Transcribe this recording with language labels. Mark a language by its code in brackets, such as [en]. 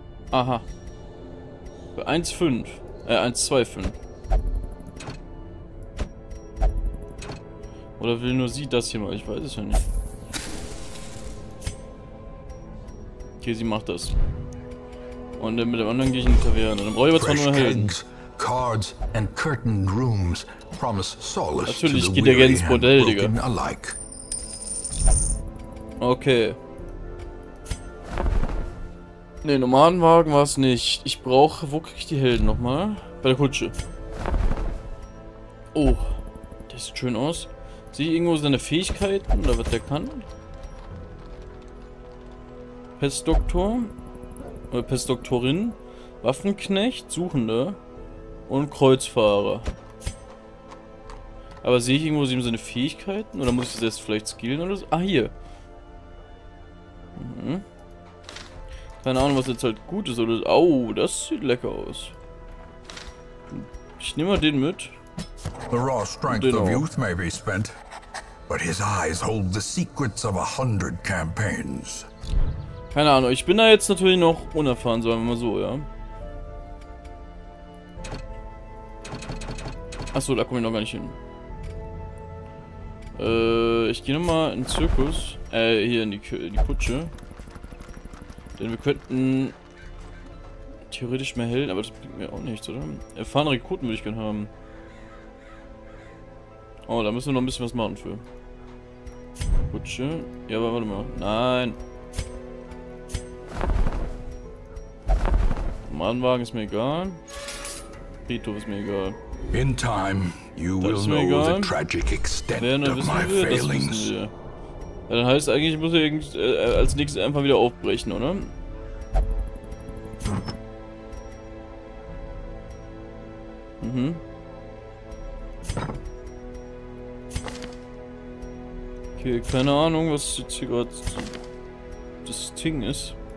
[de] Aha. 1,5. 1,25. Oder will nur sie das hier mal? Ich weiß es ja nicht. Okay, sie macht das. Und mit dem anderen gehe ich in die Taverne. Dann brauche ich aber zwar nur Helden. [en] Cards and curtained rooms promise solace. [de] Natürlich geht der ins Bordell, Digga. Okay. Ne, normalen Wagen war es nicht. Ich brauche. Wo krieg ich die Helden nochmal? Bei der Kutsche. Oh. Der sieht schön aus. Sehe ich irgendwo seine Fähigkeiten oder was der kann? Pestdoktor. Oder Pestdoktorin. Waffenknecht. Suchende. Und Kreuzfahrer. Aber sehe ich irgendwo seine Fähigkeiten? Oder muss ich das jetzt vielleicht skillen oder so? Ah, hier. Mhm. Keine Ahnung, was jetzt halt gut ist. Oder au, das sieht lecker aus. Ich nehme mal den mit. [en] The raw strength of youth may be spent, but his eyes hold the secrets of 100 campaigns. [de] Keine Ahnung, ich bin da jetzt natürlich noch unerfahren, sagen wir mal so, ja. Achso, da komme ich noch gar nicht hin. Ich gehe nochmal in den Zirkus. Hier in die Kutsche. Denn wir könnten theoretisch mehr Helden, aber das bringt mir auch nichts, oder? Erfahrene Rekruten würde ich gerne haben. Oh, da müssen wir noch ein bisschen was machen für. Kutsche. Ja, aber warte mal. Nein. Mannwagen ist mir egal. Friedhof ist mir egal. [en] In time, you will know the tragic extent of my failings. [de] Ja, dann heißt eigentlich, ich muss als nächstes einfach wieder aufbrechen, oder? Mhm. Okay, keine Ahnung, was jetzt hier gerade das Ding ist.